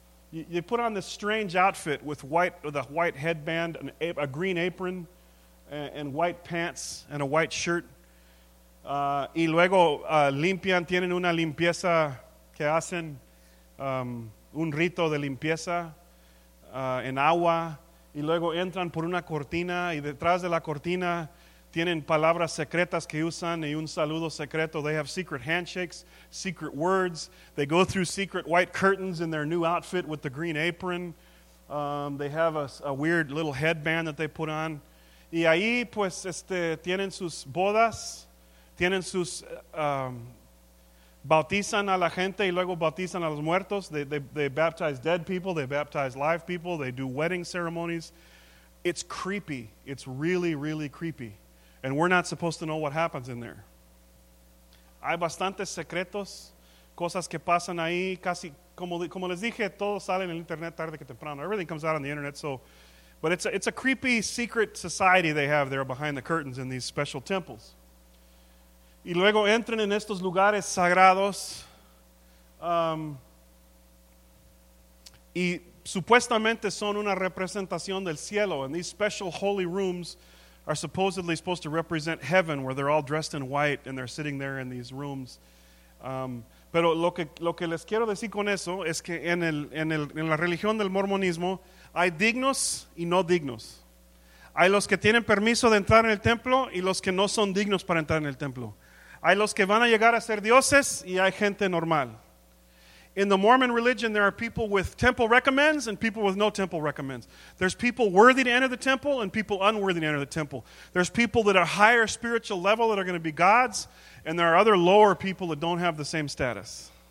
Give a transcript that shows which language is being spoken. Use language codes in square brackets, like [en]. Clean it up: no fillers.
[en] You put on this strange outfit with a white headband, a green apron, and white pants, and a white shirt. [es] Y luego limpian, tienen una limpieza que hacen, un rito de limpieza en agua. Y luego entran por una cortina, y detrás de la cortina tienen palabras secretas que usan y un saludo secreto. [en] They have secret handshakes, secret words. They go through secret white curtains in their new outfit with the green apron. They have a weird little headband that they put on. [es] Y ahí, pues, tienen sus bodas, tienen sus, bautizan a la gente y luego bautizan a los muertos. [en] They baptize dead people, they baptize live people, they do wedding ceremonies. It's creepy. It's really, really creepy. And we're not supposed to know what happens in there. [es] Hay bastantes secretos, cosas que pasan ahí, casi, como les dije, todo sale en el internet tarde que temprano. [en] Everything comes out on the internet, so. But it's a creepy secret society they have there behind the curtains in these special temples. [es] Y luego entran en estos lugares sagrados. Y supuestamente son una representación del cielo. [en] And these special holy rooms are supposedly supposed to represent heaven, where they're all dressed in white and they're sitting there in these rooms. [es] Pero lo que les quiero decir con eso es que en la religión del mormonismo hay dignos y no dignos. Hay los que tienen permiso de entrar en el templo y los que no son dignos para entrar en el templo. Hay los que van a llegar a ser dioses y hay gente normal. [en] In the Mormon religion, there are people with temple recommends and people with no temple recommends. There's people worthy to enter the temple and people unworthy to enter the temple. There's people that are higher spiritual level that are going to be gods, and there are other lower people that don't have the same status.